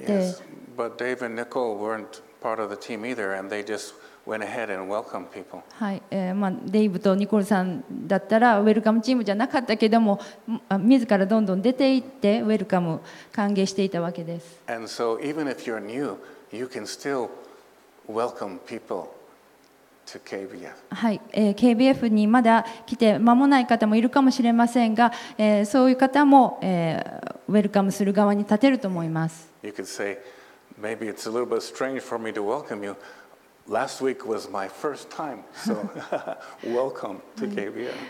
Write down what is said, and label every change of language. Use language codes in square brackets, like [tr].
[en] Yes, but Dave and Nicole weren't part of the team either, and they just went ahead and welcomed people. [ja] はい、まあ、デイブとニコルさんだったら、ウェルカムチームじゃなかったけども、自らどんどん出て行って、ウェルカム、歓迎していたわけです。 [en] And so even if you're new, you can still welcome people. [ja] はい、KBF にまだ来て間もない方もいるかもしれませんが、そういう方も、ウェルカムする側に立てると思います。 [en] You could say, maybe it's a little bit strange for me to welcome you. Last week was my first time, so welcome to KBF.